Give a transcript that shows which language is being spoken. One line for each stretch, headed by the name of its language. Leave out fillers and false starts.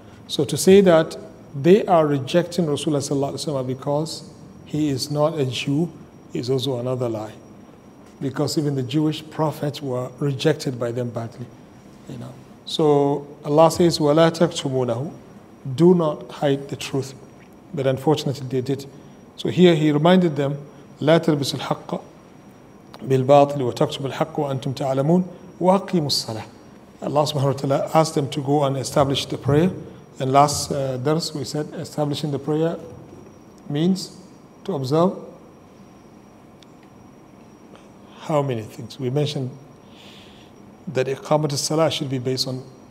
English: So to say that they are rejecting Rasulullah sallallahu alaihi wasallam because he is not a Jew is also another lie. Because even the Jewish prophets were rejected by them badly. You know. So Allah says,
Arabic: وَلَا تَكْتُمُونَهُ,
English: do not hide the truth. But unfortunately they did. So here he reminded them,
Arabic: لَا تَلْبِسُ الْحَقَّ بِالْبَاطِلِ وَتَكْتُمُ الْحَقَّ وَأَنْتُمْ تَعْلَمُونَ وَأَقِيمُ الصَّلَاةِ.
English: Allah subhanahu wa ta'ala asked them to go and establish the prayer. And last dars we said establishing the prayer means to observe how many things? We mentioned that iqamat as-salah should be based on